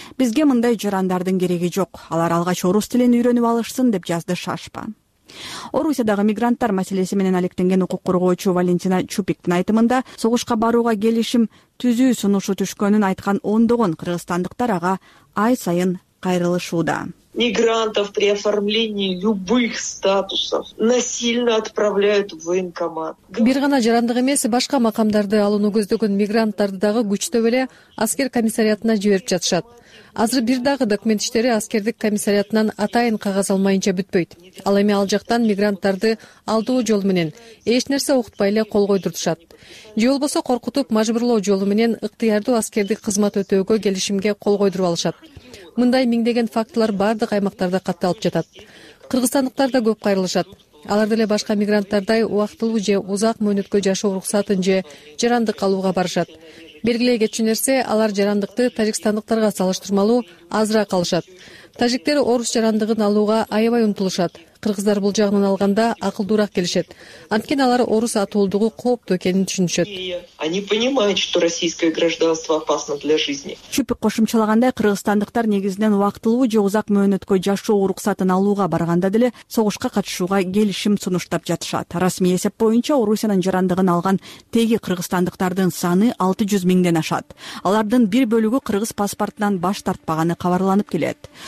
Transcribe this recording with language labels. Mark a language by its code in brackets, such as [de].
[ky] Бизге мындай жарандардын кереги жок. Алар алгач орус тилин үйрөнүп алышсын, деп жазды Шашпа. Орусиядагы мигранттар маселеси менен алектенген укук коргоочу Валентина Чупиктин айтымында согушка барууга келишим түзүү сунушу түшкөнүн айткан 10 кыргызстандыктар ага ай сайын кайрылышууда. [ru] мигрантов при оформлении любых статусов насильно отправляют в военкомат. [ky] Бир гана жарандык эмес, башка макамдарды алууну көздөгөн мигранттарды дагы күчтөп эле аскер комиссариатына жиберип жатышат. Азыр бир дагы документ иштери аскердик комиссариатынан атайын кагаз алмайынча бүтпөйт. Ал эми ал жактан мигранттарды алдоо жолу менен эч нерсе укутпай эле кол койдуртушат. Же болбосо коркутуп мажбурлоо жолу менен ыктыярдуу аскердик кызмат өтөөгө келишимге кол койдуруп алышат. Мындай миңдеген фактылар бардык аймактарда катталып жатат. Кыргызстандыктар да көп кайрылышат. Алар деле башка мигранттардай убактылуу же узак мөөнөткө жашоо уруксатын же жарандык алууга барышат. Белгилей кетчү нерсе, алар жарандыкты тажикстандыктарга салыштырмалуу азыраак алышат. Тажиктер орус жарандыгын алууга аябай умтулушат. Кыргыздар бул жагынан алганда акылдуураак келишет. Анткени алар орус атуулдугу кооптуу экенин түшүнүшөт. [ru] Они понимают, что российское гражданство опасно для жизни. [ky] Чүпүк кошумчалагандай, кыргызстандыктар негизинен убактылуу же узак мөөнөткө жашоо уруксатын алууга барганда деле согушка катышууга келишим сунуштап жатышат. Расмий эсеп боюнча Орусиянын жарандыгын алган теги кыргызстандыктардын саны 600 000 ашат. Алардын бир бөлүгү кыргыз паспортунан баш тартпаганы кабарланып келет.